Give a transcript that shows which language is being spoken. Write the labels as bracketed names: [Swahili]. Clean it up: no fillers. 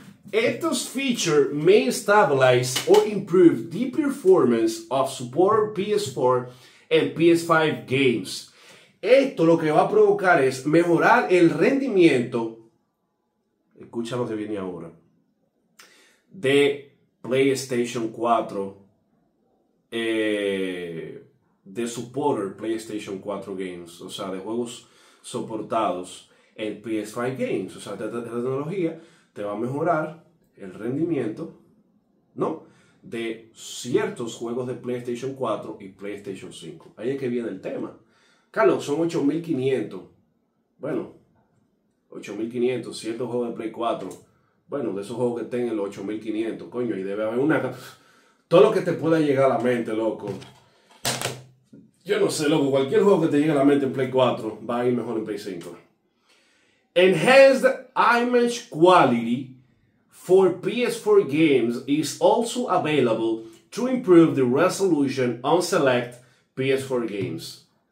[English] Estos features may stabilize or improve the performance of support PS4 and PS5 games. [Spanish] Esto lo que va a provocar es mejorar el rendimiento, escucha lo que viene ahora, de PlayStation 4, de [English] support PlayStation 4 games, [Spanish] o sea, de juegos soportados en PS5 Games. O sea, esta tecnología te va a mejorar el rendimiento, ¿no?, de ciertos juegos de PlayStation 4 y PlayStation 5. Ahí es que viene el tema. Carlos, son 8,500. Bueno, 8,500, ciertos juegos de Play 4. Bueno, de esos juegos que estén en los 8,500, coño, y debe haber una... Todo lo que te pueda llegar a la mente, loco. Yo no sé, loco, cualquier juego que te llegue a la mente en Play 4 va a ir mejor en Play 5. [English] Enhanced image quality for PS4 games is also available to improve the resolution on select PS4 games.